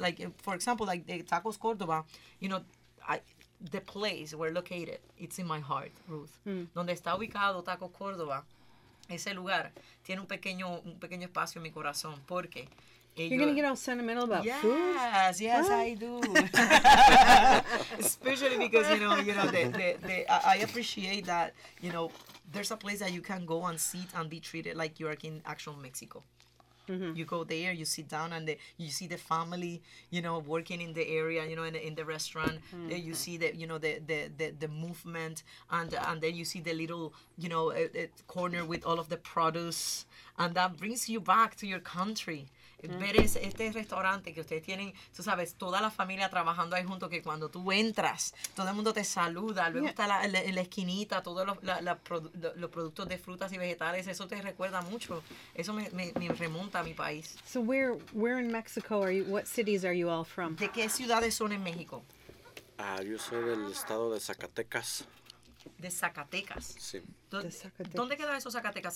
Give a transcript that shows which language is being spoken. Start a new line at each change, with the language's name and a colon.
English: Like, for example, like the Tacos Cordoba, the place we're located, it's in my heart, Ruth.
Spanish: Donde está ubicado Taco Cordoba, ese lugar tiene un pequeño espacio en mi corazón, porque
English: you're going to get all sentimental about food? Yes, what? I do. Especially because, I appreciate that, there's a place that you can go and sit and be treated like you are in actual Mexico. Mm-hmm. You go there, you sit down, and you see the family, working in the area, in the restaurant. Mm-hmm. You see the movement, and then you see the little, corner with all of the produce. And that brings you back to your country.
Spanish: Ver este restaurante que ustedes tienen, tú sabes, toda la familia trabajando ahí junto, que cuando tú entras, todo el mundo te saluda, luego está la esquinita, todos los productos de frutas y vegetales, eso te recuerda mucho, eso me remonta a mi país.
English: So where in Mexico are you, what cities are you all from?
Spanish: ¿De qué ciudades son en México? Yo soy del estado de Zacatecas. ¿De Zacatecas? Sí. Zacatecas. ¿Dónde queda eso, Zacatecas?